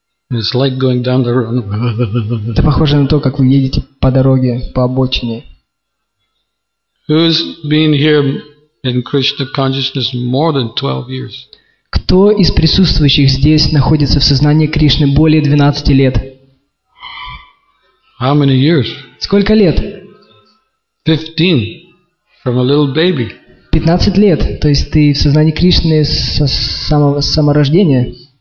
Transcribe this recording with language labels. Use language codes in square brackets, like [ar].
[en] It's like going down the road. [ru] Это похоже на то, как вы едете по дороге, по обочине. [en] Who's been here in Krishna consciousness more than 12 years? [ru] Кто из присутствующих здесь находится в сознании Кришны более 12 лет? [en] How many years? [ru] Сколько лет? [en] 15 from a little baby. [ru] 15 лет, то есть ты в сознании Кришны со самого саморождения?